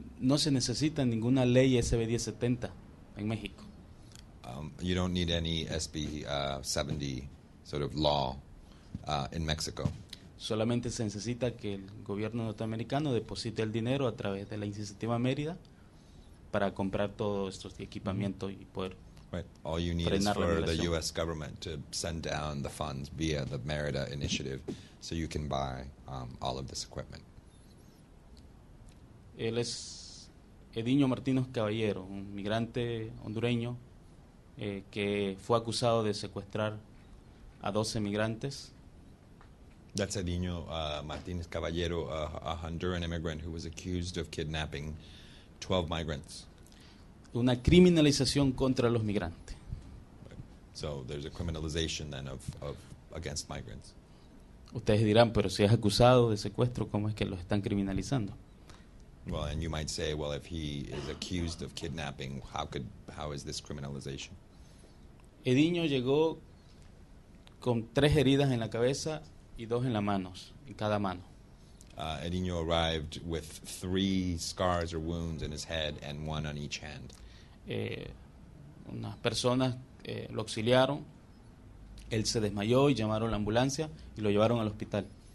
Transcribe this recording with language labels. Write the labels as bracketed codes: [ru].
[es] No se necesita ninguna ley SB 1070 en México. [en] You don't need any SB 70 sort of law in Mexico. [es] Solamente se necesita que el gobierno norteamericano deposite el dinero a través de la Iniciativa Mérida para comprar todos estos equipamientos y poder [en] right. All you need is for the U.S. government to send down the funds via the Mérida Initiative so you can buy all of this equipment. [es] Él es Edinho Martínez Caballero, un migrante hondureño que fue acusado de secuestrar a 12 migrantes. [en] That's Edinho Martínez Caballero, a Honduran immigrant who was accused of kidnapping 12 migrants. [es] Una criminalización contra los migrantes. [en] Right. So there's a criminalization then of against migrants. [es] Ustedes dirán, pero si es acusado de secuestro, ¿cómo es que lo están criminalizando? [en] Well, and you might say, well, if he is accused of kidnapping, how is this criminalization? [es] Edinho llegó con tres heridas en la cabeza y dos en las manos, en cada mano. [en] Edinho arrived with three scars or wounds in his head and one on each hand. [es] Unas personas lo auxiliaron. Él se desmayó y llamaron la ambulancia y lo llevaron al hospital.